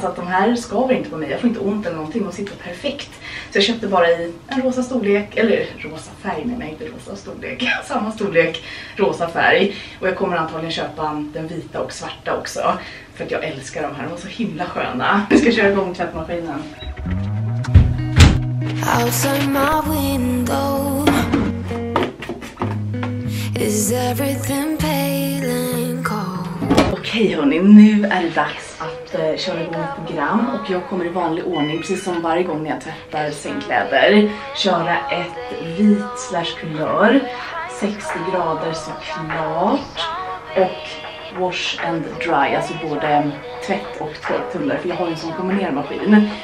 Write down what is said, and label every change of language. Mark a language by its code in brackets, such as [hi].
[sv] Så att de här skaver inte på mig, jag får inte ont eller någonting, de sitter perfekt. Så jag köpte bara i en rosa storlek, eller rosa färg, nej, inte rosa storlek, samma storlek, rosa färg. Och jag kommer antagligen köpa den vita och svarta också, för att jag älskar de här, de var så himla sköna. Nu ska jag köra igång tvättmaskinen. [en] Outside my window, is everything pale and cold? [sv] Okej hörni, nu är det dags att köra igång program och jag kommer i vanlig ordning, precis som varje gång när jag tvättar sängkläder, köra ett vit slash kulör, 60 grader såklart, och [en] wash and dry, [sv] alltså både tvätt och tvättunder, för jag har en sån kombinermaskin.